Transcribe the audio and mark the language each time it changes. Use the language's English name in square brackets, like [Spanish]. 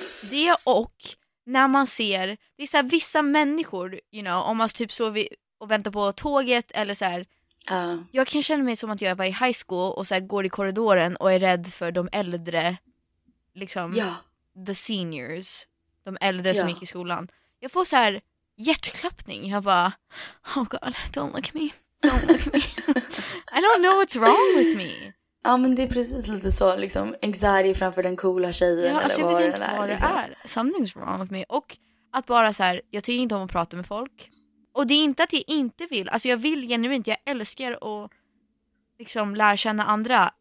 [Swedish] Det och när man ser, det är så här, vissa människor, you know, om man typ står och väntar på tåget eller så här, Jag kan känna mig som att jag var i high school och så här går i korridoren och är rädd för de äldre, liksom, ja, [English] the seniors, [Swedish] de äldre, ja, som gick i skolan. Jag får så här hjärtklappning. Jag bara, [English] oh god, don't look at me. Don't look at me. I don't know what's wrong with me. [Swedish] Ja, men det är precis lite så, liksom, anxiety framför den coola tjejen. Ja, alltså, eller jag vet inte vad det är. [English] Something's wrong with me. [Swedish] Och att bara så här, jag tycker inte om att prata med folk. Och det är inte att jag inte vill. Alltså, jag vill genuint, jag älskar att liksom lära känna andra.